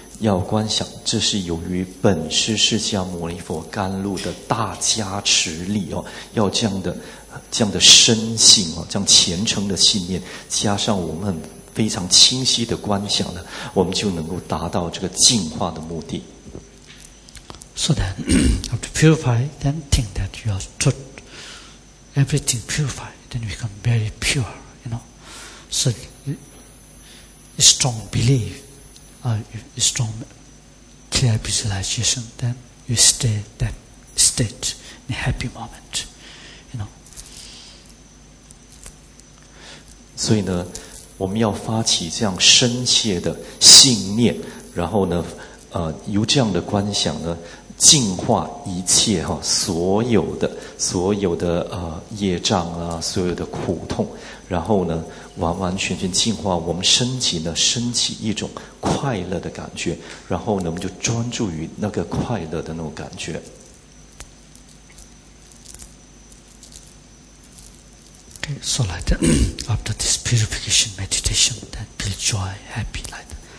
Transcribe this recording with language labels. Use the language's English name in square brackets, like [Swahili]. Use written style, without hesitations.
[Chinese] 要观想，这是由于本师释迦牟尼佛甘露的大加持力哦，要这样的深信哦，这样虔诚的信念，加上我们非常清晰的观想呢，我们就能够达到这个净化的目的。 [English] So then, after purify, then think that you are to everything purified, then become very pure, you know. So, strong belief. Strong clear visualization, then you stay that state in a happy moment, you know. [Chinese] 所以呢，我们要发起这样深切的信念，然后呢，由这样的观想呢，净化一切哈、哦，所有的业障啊，所有的苦痛，然后呢。完完全全净化我们身体呢，升起一种快乐的感觉，然后呢，我们就专注于那个快乐的那种感觉。 [English] Okay, so like that, after this purification meditation, then feel joy, happy, like that.